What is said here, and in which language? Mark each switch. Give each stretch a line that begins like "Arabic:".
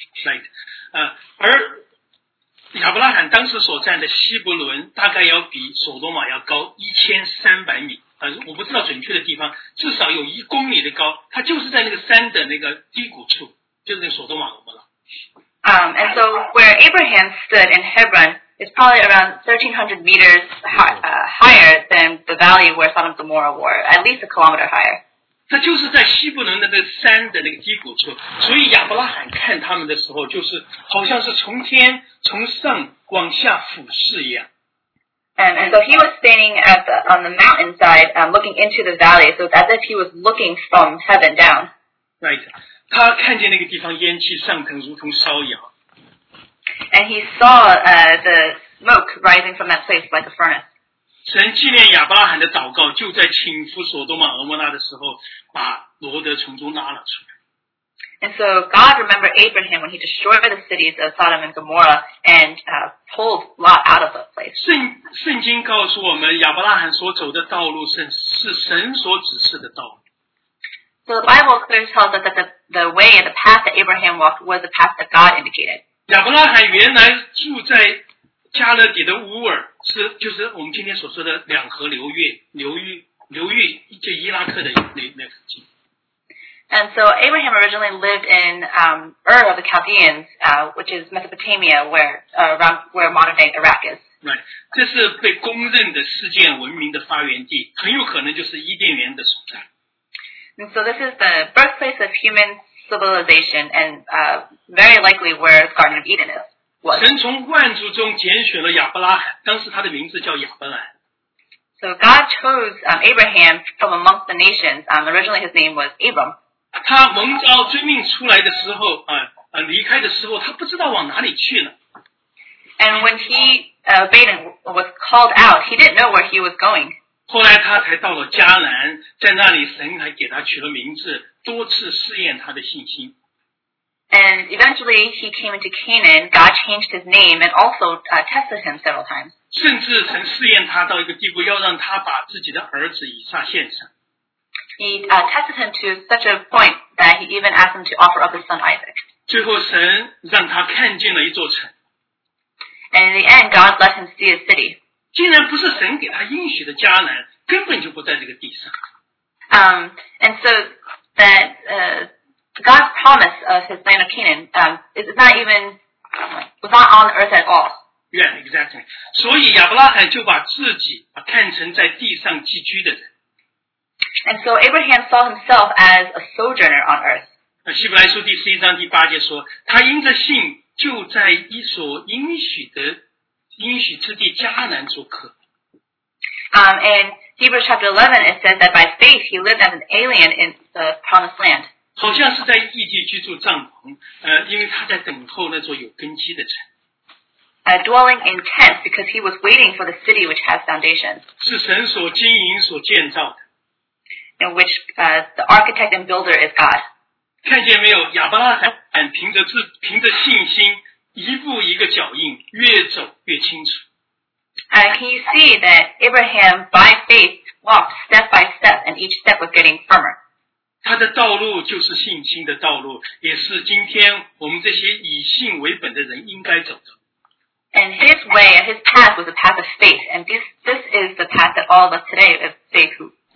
English: Right.
Chinese: 而亚伯拉罕当时所站的希伯伦大概要比索多玛要高1300米，我不知道准确的地方，至少有一公里的高，它就是在那个山的那个低谷处，就是那索多玛罗摩拉。
English: And so where Abraham stood in Hebron is probably around 1,300 meters higher than the valley where Sodom and Gomorrah were, at least a kilometer higher.
Chinese: 它就是在希伯伦的那山的那个低谷处，所以亚伯拉罕看他们的时候，就是好像是从天从上往下俯视一样。
English: And so he was standing at on the mountainside, looking into the valley, so as if he was looking from heaven down. Right.
Chinese: 他看见那个地方烟气上腾，如同烧窑。
English: And he saw the smoke rising from that place like a furnace.
Chinese: 神纪念亚伯拉罕的祷告，就在倾覆索多玛俄摩拉的时候，把罗德从中拉了出来。
English: And so God remembered Abraham when he destroyed the cities of Sodom and Gomorrah and pulled Lot out of that place.
Chinese: 圣经告诉我们亚伯拉罕所走的道路 是神所指示的道路。
English: So the Bible clearly tells us that the way and the path that Abraham walked was the path that God indicated.
Chinese: 亚伯拉罕原来住在加勒底的乌尔是就是我们今天所说的两河流域就伊拉克的那附近。
English: And so Abraham originally lived in Ur of the Chaldeans, which is Mesopotamia, where modern-day Iraq is. Right.
Chinese: 这是被公认的世界文明的发源地，很有可能就是伊甸园的所在。
English: And so this is the birthplace of human civilization, and very likely where the Garden of Eden is.
Chinese: 神从万族中拣选了亚伯拉罕，当时他的名字叫亚伯兰。
English: So God chose Abraham from amongst the nations. Originally his name was Abram.
Chinese: 他蒙召遵命出来的时候，离开的时候，他不知道往哪里去了。
English: And when he obeyed and was called out, he didn't know where he was going.
Chinese: 后来他才到了迦南，在那里神还给他取了名字，多次试验他的信心。
English: And eventually he came into Canaan, God changed his name and also tested him several times.
Chinese: 甚至曾试验他到一个地步要让他把自己的儿子以撒献上。
English: He tested him to such a point that he even asked him to offer up his son Isaac.
Chinese: 最后神让他看见了一座城。
English: And in the end, God let him see a city.
Chinese: 竟然不是神给他应许的迦南，根本就不在这个地上。
English: And so that, God's promise of his land of Canaan was not on earth at all. Yeah, exactly.
Chinese: 所以亚伯拉罕就把自己看成在地上寄居的人。
English: And so Abraham saw himself as a sojourner on earth.
Chinese: 希伯来书第十一章第八节说，他因着信就在一所应许之地迦南做客。
English: And Hebrews chapter 11, it says that by faith he lived as an alien in the promised land.
Chinese: 好像是在异地居住帐篷，因为他在等候那座有根基的城。
English: Dwelling in tents because he was waiting for the city which has foundations.
Chinese: 是神所经营所建造的。
English: In which the architect and builder is God.
Chinese: 看见没有，亚伯拉罕凭着信心，一步一个脚印，越走越清楚。
English: Can you see that Abraham by faith walked step by step and each step was getting firmer?
Chinese: 他的道路就是信心的道路，也是今天我们这些以信为本的人应该走的。
English: And his way and his path was a path of faith, and this is the path that all of us today of faith who.